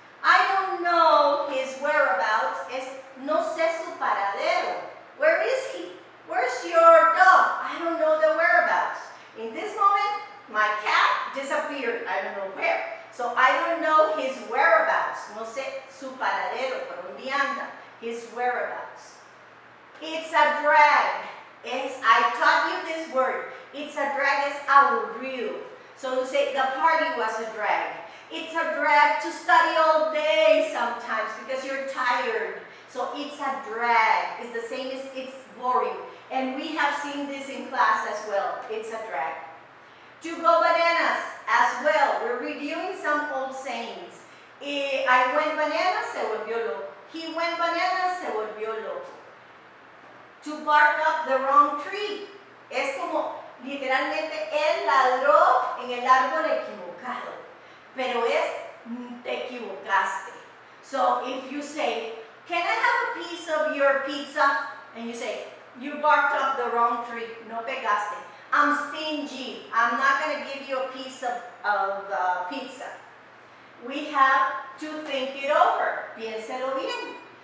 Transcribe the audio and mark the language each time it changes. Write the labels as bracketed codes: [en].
[en] I don't know his whereabouts. Es no sé su paradero. Where is he? Where's your dog? I don't know the whereabouts. In this moment, my cat disappeared. I don't know where. So I don't know his whereabouts. [es] No sé su paradero, por donde anda. [en] His whereabouts. It's a drag. Es, I taught you this word. It's a drag. Es aburrido. So you say the party was a drag. It's a drag to study all day sometimes because you're tired. So it's a drag. It's the same as it's boring. And we have seen this in class as well. It's a drag. To go bananas as well. We're reviewing some old sayings. I went bananas, se volvió loco. He went bananas, se volvió loco. To bark up the wrong tree. [es] Es como literalmente él ladró en el árbol equivocado. Pero es, te equivocaste. [en] So if you say, can I have a piece of your pizza? And you say, you barked up the wrong tree, no pegaste. I'm stingy, I'm not gonna give you a piece of pizza. We have to think it over, piénselo bien.